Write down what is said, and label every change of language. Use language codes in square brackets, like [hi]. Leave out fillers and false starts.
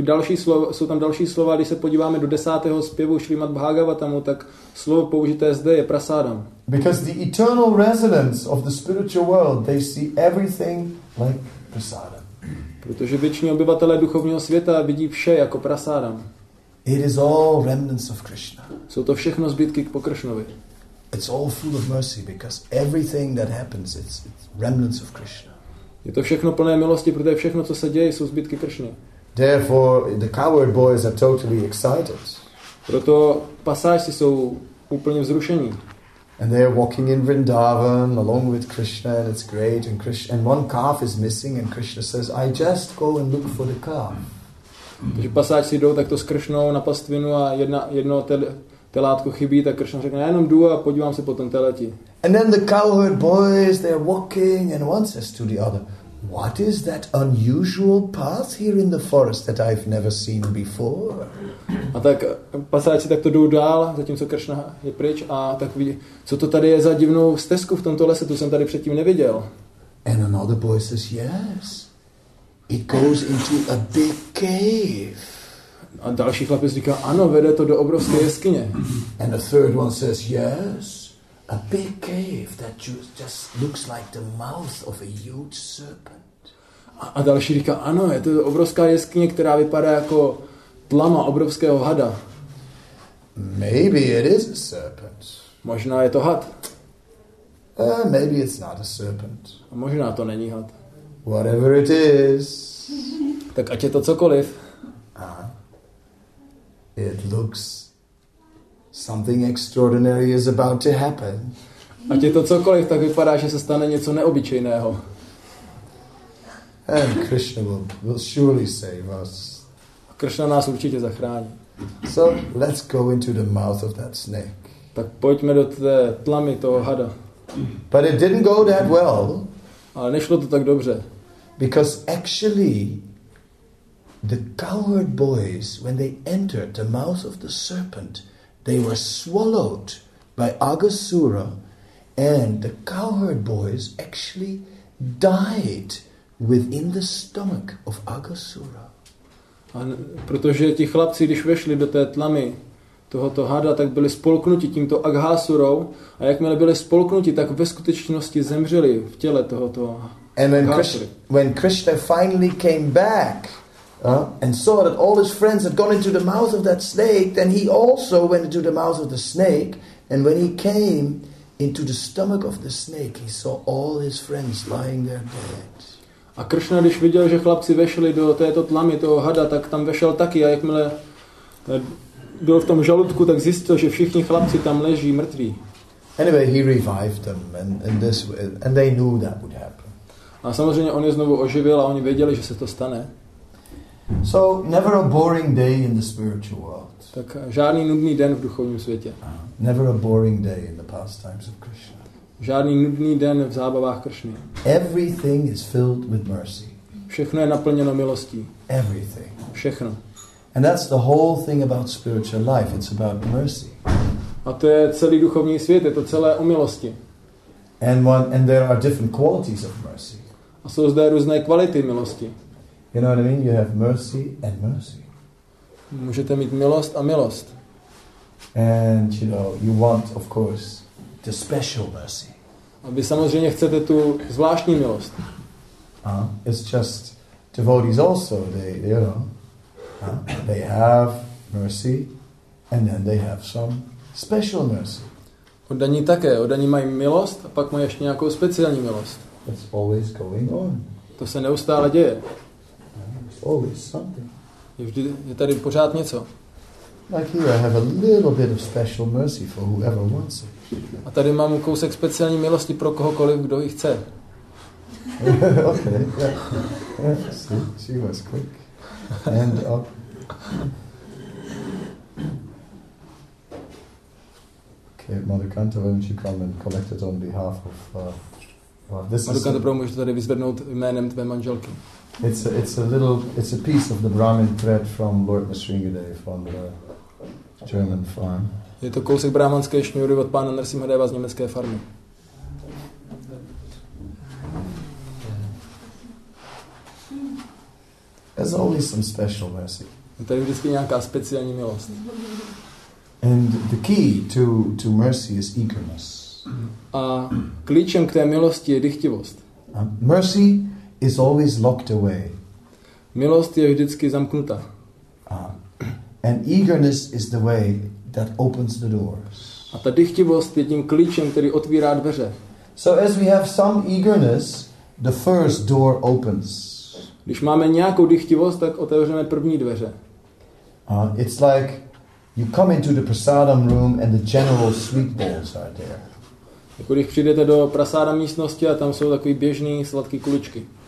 [cs] Jsou tam další slova, když se podíváme do 10. zpěvu Srimad Bhagavatamu, tak slovo použité zde je prasadam. [en] Because the eternal residents of the spiritual world, they see everything like prasada. [cs] Protože věční obyvatelé duchovního světa vidí vše jako prasadam. [en] It is all remnants of Krishna. [cs] Jsou to všechno zbytky po Kršnovi. [en] It's all full of mercy because everything that happens it's remnants of Krishna. [cs] Je to všechno plné milosti, protože všechno, co se děje, jsou zbytky Kršny. [en] Therefore, the coward boys are totally excited. [cs] Proto pasáži jsou úplně vzrušení. [en] And they are walking in Vrindavan along with Krishna, and it's great. And Krishna, and one calf is missing, and Krishna says, "I just go and look for the calf." [cs] Takže pasáži jdou takto s Kršnou na pastvinu a jedno telátko chybí, tak Kršna řekne, já jenom jdu a podívám se po tom teleti. [en] And then the cowherd boys, they're walking, and one says to the other, "What is that unusual path here in the forest that I've never seen before?" [cs] A tak pasáči takto jdou dál, zatímco Kršna je pryč, a tak vidí, co to tady je za divnou stezku v tomto lese, tu jsem tady předtím neviděl. [en] And another boy says, "Yes, it goes into a big cave." [cs] A další chlapec říká, ano, vede to do obrovské jeskyně. [en] And a third one says, "Yes, a big cave that just looks like the mouth of a huge serpent." [cs] A další říká, ano, je to obrovská jeskyně, která vypadá jako tlama obrovského hada. [en] Maybe it is a serpent. [cs] Možná je to had. [en] Maybe it's not a serpent. [cs] A možná to není had. [en] Whatever it is. [cs] Tak ať je to cokoliv. [en] It looks something extraordinary is about to happen. [cs] Ať je to cokoliv, tak vypadá, že se stane něco neobyčejného. [en] And Krishna will surely save us. [cs] A Krishna nás určitě zachrání. [en] So let's go into the mouth of that snake. [cs] Tak pojďme do té tlamy toho hada. [en] But it didn't go that well. [cs] Ale nešlo to tak dobře. [en] Because actually, the coward boys, when they entered the mouth of the serpent, they were swallowed by Agasura, and the cowherd boys actually died within the stomach of Agasura. [cs] A protože ti chlapci, když vešli do té tlamy tohoto hada, tak byli spolknuti tímto Agasurou, a jakmile byli spolknuti, tak ve skutečnosti zemřeli v těle tohoto [en] Agasury. And when Krishna finally came back And saw that all his friends had gone into the mouth of that snake, then he also went into the mouth of the snake. And when he came into the stomach of the snake, he saw all his friends lying there dead. [cs] A Krishna, když viděl, že chlapci vešli do této tlamy toho hada, tak tam vešel taky. A jakmile byl v tom žaludku, tak zjistil, že všichni chlapci tam leží mrtví. [en] Anyway, he revived them, and they knew that would happen. [cs] A samozřejmě on je znovu oživil a oni věděli, že se to stane. [en] So never a boring day in the spiritual world. [cs] Tak žádný nudný den v duchovním světě. [en] Never a boring day in the pastimes of Krishna. [cs] Žádný nudný den v zábavách Krishny. [en] Everything is filled with mercy. [cs] Všechno je naplněno milostí. [en] Everything. [cs] Všechno. [en] And that's the whole thing about spiritual life. It's about mercy. [cs] A to je celý duchovní svět. Je to celé o milosti. [en] And there are different qualities of mercy. [cs] A jsou zde různé kvality milosti. [en] You know what I mean? You have mercy and mercy. [cs] Můžete mít milost a milost. [en] And you know, you want, of course, the special mercy. [cs] A vy samozřejmě chcete tu zvláštní milost. [en] It's just devotees also. They, you know, they have mercy, and then they have some special mercy. [cs] Oddaní také. Oddaní mají milost a pak mají ještě nějakou speciální milost. [en] It's always going on. [cs] To se neustále děje. [en] Always something. [cs] Je tady pořád něco. [en] Like here I have a little bit of special mercy for whoever wants it. [cs] A tady mám kousek speciální milosti pro kohokoliv, kdo ji chce. [en] Okay. Yeah. Yeah. See, she was quick. And up. Okay, Mother Kanto, why don't you come and collect it on behalf of [cs] this Mother Kanto, promuji, že tady vyzvednout jménem tvé manželky. [en] It's a piece of the Brahmin thread from Lord Nrsimhadeva from the German farm. [cs] Je to kousek brahmanské šňůry od pána Nrsimhadeva z německé farmy. [en] There's always some special mercy. [cs] Je tady vždycky nějaká speciální milost. [en] And the key to mercy is eagerness. [cs] A klíčem k té milosti je dychtivost. [en] Mercy is always locked away. [cs] Milost je vždycky zamknutá. [en] And eagerness is the way that opens the doors. [cs] A ta dychtivost je tím klíčem, který otvírá dveře. [en] So as we have some eagerness, the first door opens. [cs] Když máme nějakou dychtivost, tak otevřeme první dveře. [en] It's like you come into the prasadam room and the general sweet bowls are there. [cs] Jako když přijdete do prasadam místnosti a tam jsou takový běžný sladký kuličky.